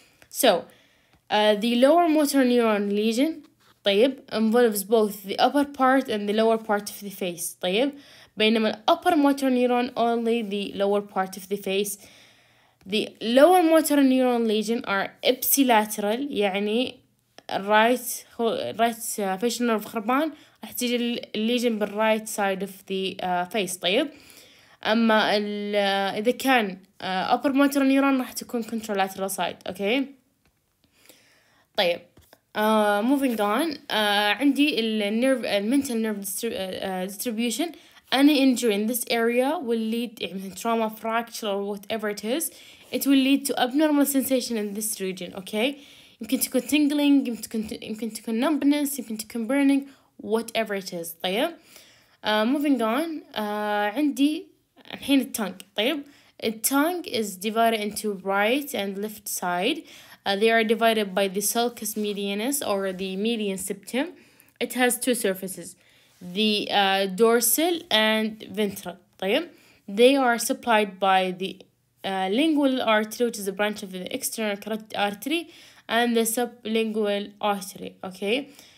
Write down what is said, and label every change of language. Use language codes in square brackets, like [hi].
[en] So, the lower motor neuron lesion, طيب, involves both the upper part and the lower part of the face, طيب. [ar] بينما [en] upper motor neuron only the lower part of the face. The lower motor neuron lesion are ipsilateral, يعني الرايت right facial nerve [ar] خربان راح تيجي [en] الليجن بالرايت side of the face. [ar] طيب اما اذا كان ابر موتور نيورون راح تكون كنترول لاترال سايد. [en] اوكي طيب موفينج اون عندي النيرف المينتال نيرف ديستريبيوشن. Any injury in this area will lead to trauma, fracture, or whatever it is. It will lead to abnormal sensation in this region. Okay, [ar] يمكن تكون [en] tingling, يمكن تكون numbness, يمكن تكون burning, whatever it is. طيب, moving on. [ar] عندي الحين tongue. [en] طيب, the tongue is divided into right and left side. They are divided by the sulcus medianus or the median septum. It has two surfaces. The dorsal and ventral. طيب. They are supplied by the lingual artery, which is a branch of the external carotid artery, and the sublingual artery. Okay.